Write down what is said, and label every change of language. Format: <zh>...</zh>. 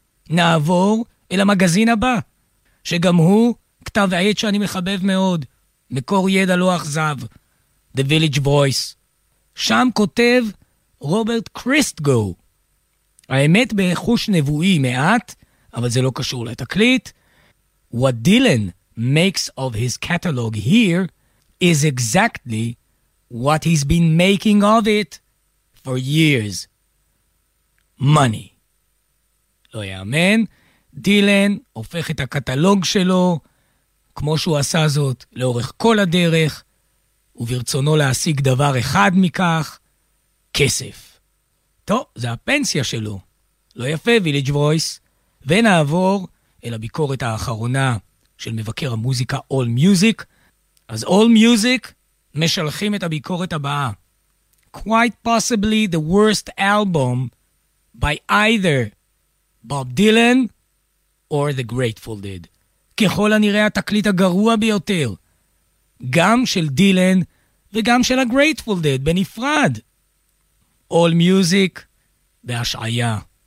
<he>נעבור אל המגזין הבא, שגם הוא כתב העת שאני מחבב מאוד, מקור ידע לא אכזב, The Village Voice. שם כותב רוברט קריסטגו. האמת בחוש נבואי מעט, אבל זה לא קשור לתקליט.</he> <en>What Dylan makes of his catalog here is exactly what he's been making of it for years. Money.</en> <he>לא יאמן, דילן הופך את הקטלוג שלו, כמו שהוא עשה זאת לאורך כל הדרך, וברצונו להשיג דבר אחד מכך, כסף. טוב, זה הפנסיה שלו. לא יפה, ויליג' וויס. ונעבור אל הביקורת האחרונה של מבקר המוזיקה All Music. אז All Music משלחים את הביקורת הבאה.</he> <en>Quite possibly the worst album by either Bob Dylan or the Grateful Dead.</en> <he>ככל הנראה התקליט הגרוע ביותר, גם של דילן וגם של הגרייטפול דד בנפרד. All Music בהשעיה.</he>